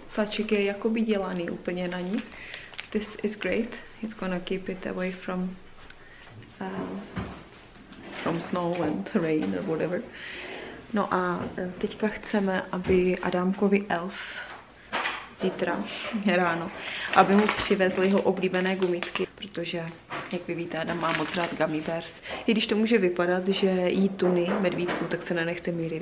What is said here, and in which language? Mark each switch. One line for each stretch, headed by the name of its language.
Czech: Sáček je jakoby dělaný úplně na ní.
English: This is great. It's gonna keep it away from snow and rain or whatever.
Czech: No a teďka chceme, aby Adámkovi elf zítra ráno, aby mu přivezli jeho oblíbené gumitky, protože, jak vy víte, Adam má moc rád gummy bears. I když to může vypadat, že jí tuny medvídku, tak se nenechte mýlit.